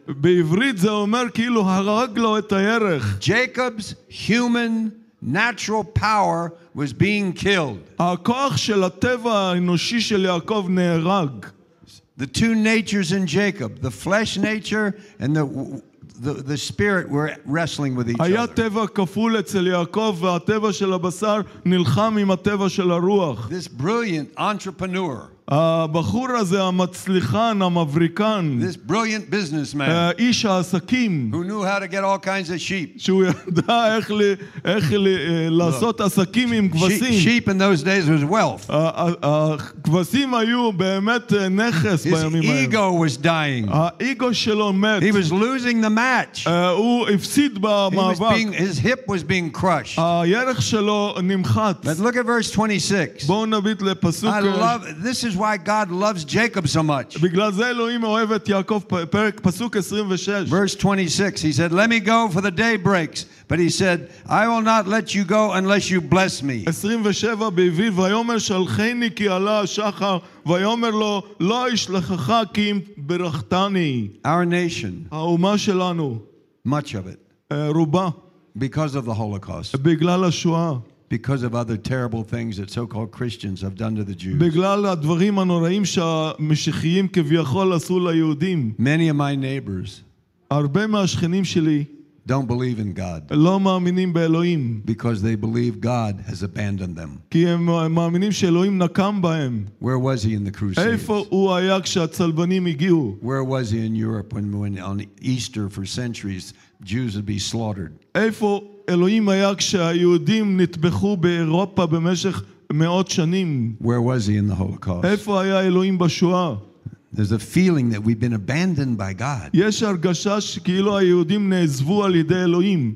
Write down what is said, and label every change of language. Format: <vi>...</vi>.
<he>בעברית זה אומר כאילו הרג לו את הירך.</he> <en>Jacob's human natural power was being killed.</en> <he>הכוח של הטבע האנושי של יעקב נהרג.</he> <en>The two natures in Jacob, the flesh nature and the spirit were wrestling with each other.</en> <he>היה טבע כפול אצל יעקב, והטבע של הבשר נלחם עם הטבע של הרוח.</he> <en>This brilliant entrepreneur.</en> <he>הבחור הזה, המצליחן, המבריקן.</he> <en>This brilliant businessman.</en> <he>איש העסקים.</he> <en>Who knew how to get all kinds of sheep.</en> <he>שהוא ידע איך לעשות עסקים עם כבשים.</he> <en>Sheep in those days was wealth.</en> <he>כבשים היו באמת נכס בימים האלה.</he> <en>His ego was dying.</en> <he>האגו שלו מת.</he> <en>He was losing the match.</en> <he>הוא הפסיד במאבק.</he> <en>His hip was being crushed.</en> <he>הירך שלו נמחץ.</he> <en>But look at verse 26.</en> <he>בואו נביט לפסוק.</he> <en>This is why God loves Jacob so much.</en> <he>בגלל זה אלוהים אוהב את יעקב. פרק פסוק 26.</he> <en>Verse 26. He said, "Let me go for the day breaks." But he said, "I will not let you go unless you bless me."</en> <he>27 בעברית, ויאמר שלחני כי עלה השחר, ויאמר לו, לא אשלחך כי אם ברכתני.</he> <en>Our nation.</en> <he>האומה שלנו.</he> <en>Much of it.</en> <he>רובה.</he> <en>Because of the Holocaust.</en> <he>בגלל השואה.</he> <en>Because of other terrible things that so-called Christians have done to the Jews.</en> <he>בגלל הדברים הנוראים שהמשיחיים כביכול עשו ליהודים.</he> <en>Many of my neighbors.</en> <he>הרבה מהשכנים שלי.</he> <en>Don't believe in God.</en> <he>לא מאמינים באלוהים.</he> <en>Because they believe God has abandoned them.</en> <he>כי הם מאמינים שאלוהים נקם בהם.</he> <en>Where was he in the Crusades?</en> <he>איפה הוא היה כשהצלבנים הגיעו?</he> <en>Where was he in Europe when on Easter for centuries Jews would be slaughtered?</en> <he>איפה אלוהים היה כשהיהודים נטבחו באירופה במשך מאות שנים?</he> <en>Where was he in the Holocaust?</en> <he>איפה היה אלוהים בשואה?</he> <en>There's a feeling that we've been abandoned by God.</en> <he>יש הרגשה שכאילו היהודים נעזבו על ידי אלוהים.</he>